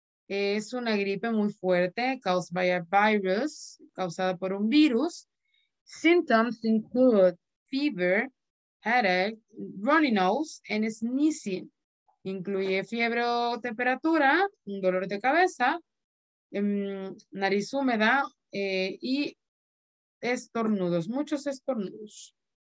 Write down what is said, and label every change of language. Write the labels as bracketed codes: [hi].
[es] Es una gripe muy fuerte, [en] caused by a virus, [es] causada por un virus. [en] Symptoms include fever, headache, runny nose, and sneezing. [es] Incluye fiebre o temperatura, dolor de cabeza, nariz húmeda, y estornudos, muchos estornudos.